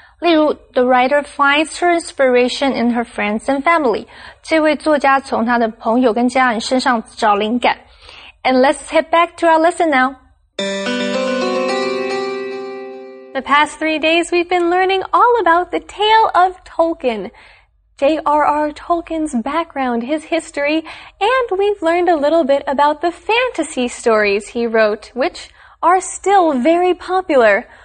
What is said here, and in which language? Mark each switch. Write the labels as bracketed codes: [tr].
[zh] 例如 [en] ,the writer finds her inspiration in her friends and family. [zh] 这位作家从他的朋友跟家人身上找灵感。 [en] And let's head back to our lesson now. The past 3 days, we've been learning all about the tale of Tolkien, J.R.R. Tolkien's background, his history, and we've learned a little bit about the fantasy stories he wrote, which are still very popular.